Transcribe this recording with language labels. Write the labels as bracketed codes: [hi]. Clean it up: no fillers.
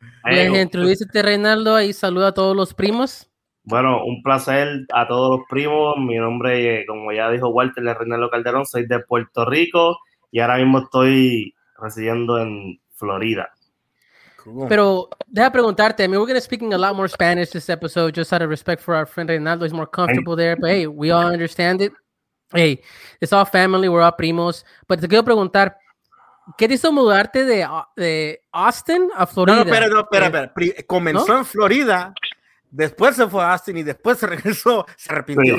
[es] Introdúcete, Reinaldo, y saluda a todos los primos. Bueno, un placer a todos los primos. Mi nombre, como ya dijo Walter, es Reinaldo Calderón. Soy de Puerto Rico y ahora mismo estoy residiendo en Florida. Pero deja preguntarte, [en] I mean, we're going to be speaking a lot more Spanish this episode just out of respect for our friend Reynaldo. He's more comfortable there, but hey, we all understand it. Hey, it's all family, we're all primos. [es] But te quiero preguntar, ¿qué te hizo mudarte de Austin a Florida? No, espera. Comenzó en Florida, después se fue a Austin y después regresó, se arrepintió.